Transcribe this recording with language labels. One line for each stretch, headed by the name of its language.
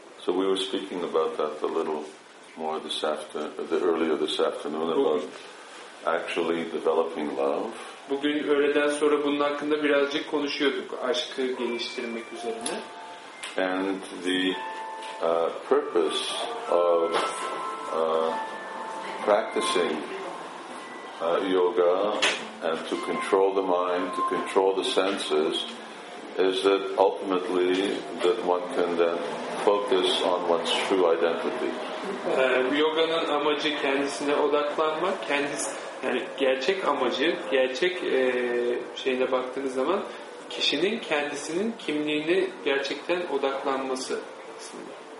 English: So we were speaking about that a little more this afternoon, the earlier this afternoon, about actually developing love.
Turkish: Bugün öğleden sonra bunun hakkında birazcık konuşuyorduk, aşkı geliştirmek üzerine.
English: And the purpose of practicing yoga and to control the mind, to control the senses, is that ultimately that one can then focus on one's true identity.
Turkish: Yoganın amacı kendisine odaklanmak, kendisi. Yani gerçek amacı, gerçek şeyine baktığınız zaman kişinin kendisinin kimliğine gerçekten odaklanması aslında.